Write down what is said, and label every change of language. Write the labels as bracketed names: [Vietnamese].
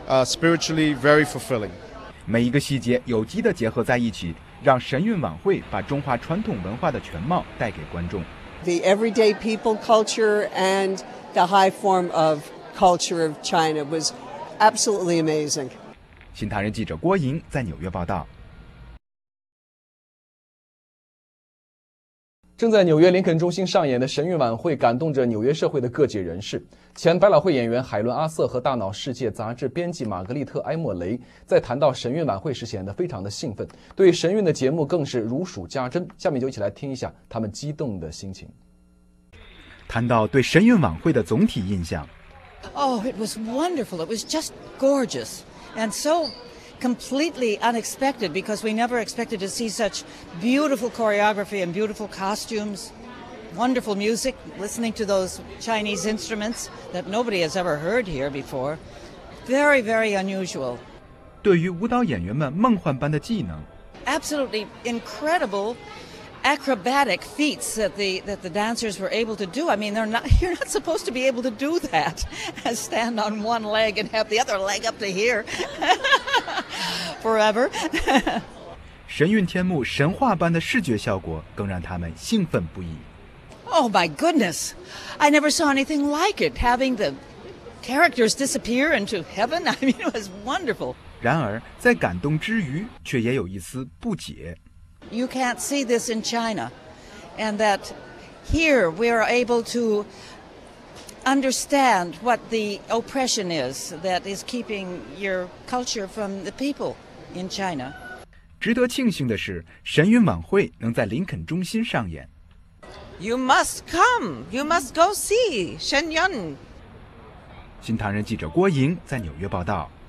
[English] Spiritually, very fulfilling. [Chinese] 每一个细节有机地结合在一起，让神韵晚会把中华传统文化的全貌带给观众。 [English] The everyday people culture and the high form of culture of China was absolutely amazing. [Chinese] 新唐人记者郭莹在纽约报道。正在纽约林肯中心上演的神韵晚会感动着纽约社会的各界人士。前百老汇演员海伦·阿瑟和《大脑世界》杂志编辑玛格丽特·埃莫雷在谈到神韵晚会时显得非常的兴奋，对神韵的节目更是如数家珍。下面就一起来听一下他们激动的心情。谈到对神韵晚会的总体印象。 [English] Oh, it was wonderful. It was just gorgeous. And so... completely unexpected because we never expected to see such beautiful choreography and beautiful costumes, wonderful music, listening to those Chinese instruments that nobody has ever heard here before. Very, very unusual. [Chinese] 对于舞蹈演员们梦幻般的技能 [English] Absolutely incredible acrobatic feats that the dancers were able to do. I mean, you're not supposed to be able to do that, stand on one leg and have the other leg up to here. Forever. [Chinese] 神韵天幕神话般的视觉效果更让他们兴奋不已。 [English] Oh my goodness, I never saw anything like it. Having the characters disappear into heaven, I mean, it was wonderful. [Chinese] 然而，在感动之余，却也有一丝不解。 [English] You can't see this in China, and that here we are able to understand what the oppression is that is keeping your culture from the people. In China. [Chinese] 值得庆幸的是，神韵晚会能在林肯中心上演。 [English] You must come. You must go see 神韵。 [Chinese] 新唐人记者郭莹在纽约报道。